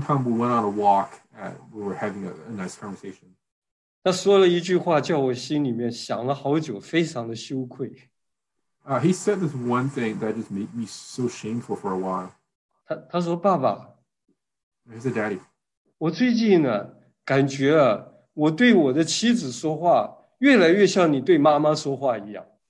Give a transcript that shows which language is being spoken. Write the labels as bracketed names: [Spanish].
[English] time we went on a walk, we were having a nice conversation. [Chinese] 他说了一句话，叫我心里面想了好久，非常的羞愧。 [English] He said this one thing that just made me so shameful for a while. [Chinese] 他说爸爸, [English] He said, Daddy. [Chinese] 我最近感觉我对我的妻子说话越来越像你对妈妈说话一样。